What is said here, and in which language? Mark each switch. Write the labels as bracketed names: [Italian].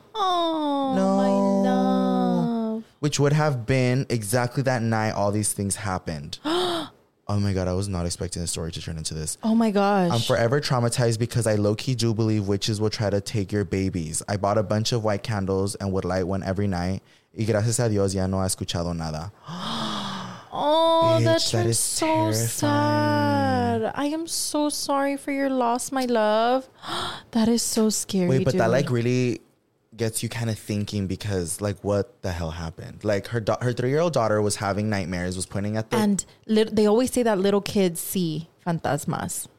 [English] Oh, no. My love. Which would have been exactly that night all these things happened. Oh my God, I was not expecting the story to turn into this. Oh my gosh. I'm forever traumatized because I low-key do believe witches will try to take your babies. I bought a bunch of white candles and would light one every night. [Spanish] Y gracias a Dios ya no ha escuchado nada. [English] Oh, that is so sad. I am so sorry for your loss, my love. That is so scary. Wait, but dude, that like really gets you kind of thinking because like what the hell happened? Like her 3-year-old daughter was having nightmares, was pointing at the... And they always say that little kids see fantasmas.